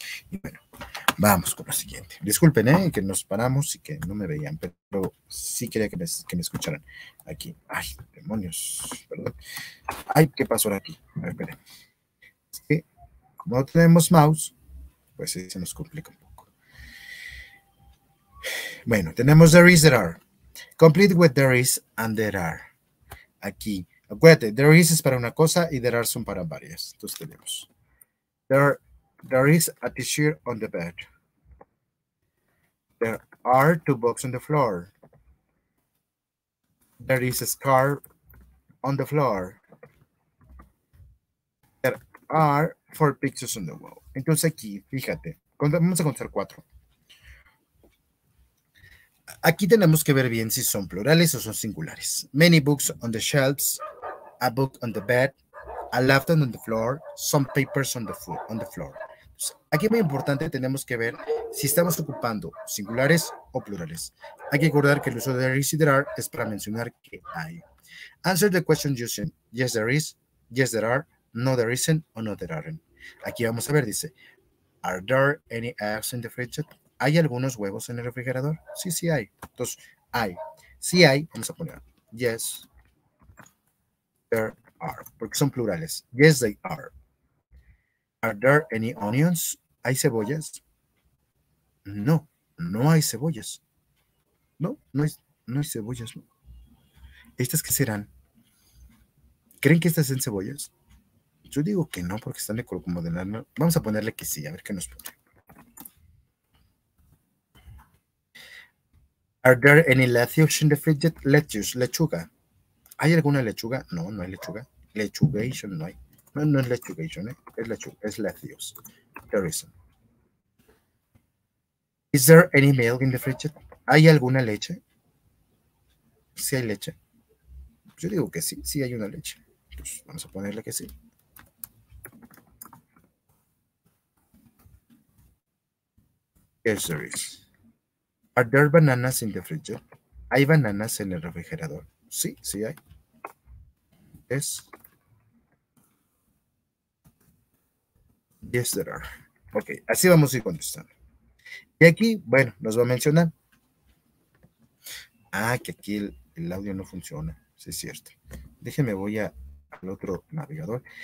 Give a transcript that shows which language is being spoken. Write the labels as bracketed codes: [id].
[es] Y bueno, vamos con lo siguiente. Disculpen, que nos paramos y que no me veían, pero sí quería que me escucharan aquí. Ay, demonios, perdón. Ay, ¿qué pasó ahora aquí? A ver, esperen. Es que como no tenemos mouse, pues sí, se nos complica un poco. Bueno, tenemos there is, there are. [en] Complete with there is and there are. [es] Aquí, acuérdate, there is es para una cosa y there are son para varias. Entonces tenemos. [en] There is a t-shirt on the bed. There are two books on the floor. There is a scarf on the floor. There are four pictures on the wall. [es] Entonces aquí, fíjate, vamos a contar cuatro. Aquí tenemos que ver bien si son plurales o son singulares. [en] Many books on the shelves, a book on the bed, a laptop on the floor, some papers on the floor. [es] Aquí muy importante, tenemos que ver si estamos ocupando singulares o plurales. Hay que acordar que el uso de there is y there are es para mencionar que hay. [en] Answer the question using yes there is, yes there are, no there isn't, o no there aren't. [es] Aquí vamos a ver, dice, [en] are there any eggs in the fridge? [es] ¿Hay algunos huevos en el refrigerador? Sí, sí hay. Entonces, hay. Sí hay, vamos a poner [en] yes, there are, [es] porque son plurales. [en] Yes, they are. Are there any onions? [es] ¿Hay cebollas? No, no hay cebollas. No hay cebollas. ¿Estas qué serán? ¿Creen que estas sean cebollas? Yo digo que no, porque están de color como de nada. Vamos a ponerle que sí, a ver qué nos pone. [en] Are there any lettuce in the fridge? [es] Lettuce, lechuga. ¿Hay alguna lechuga? No, no hay lechuga. Lechugation, no hay. No, no es lechugation, es lechuga, es lettuce. [en] There isn't. Is there any milk in the fridge? [es] ¿Hay alguna leche? ¿Sí hay leche? Yo digo que sí, sí hay una leche. Pues vamos a ponerle que sí. [en] Yes, there is. Are there bananas in the fridge? [es] ¿Hay bananas en el refrigerador? Sí, sí hay. [en] Yes, there are. [es] Ok, así vamos a ir contestando. Y aquí, bueno, nos va a mencionar. Ah, que aquí el audio no funciona. Sí, es cierto. Déjenme, voy al otro navegador.